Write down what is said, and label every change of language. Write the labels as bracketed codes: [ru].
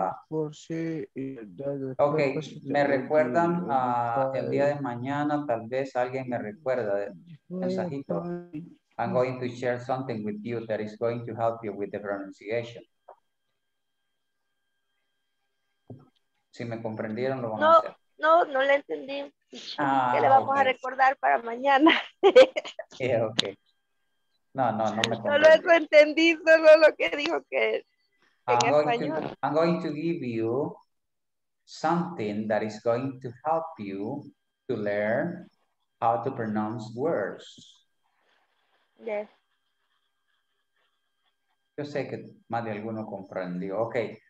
[es] Okay, me recuerdan el día de mañana, tal vez alguien me recuerda el mensajito. [en] I'm going to share something with you that is going to help you with the pronunciation. [es] Si me comprendieron, lo van no, a hacer. No le entendí. ¿Qué le vamos okay. a recordar para mañana? Yeah, okay. No me comprendí. Solo eso entendí, solo lo que dijo que es español. [en] I'm going to give you something that is going to help you to learn how to pronounce words. Yes. [es] Yo sé que más de alguno comprendió. Okay.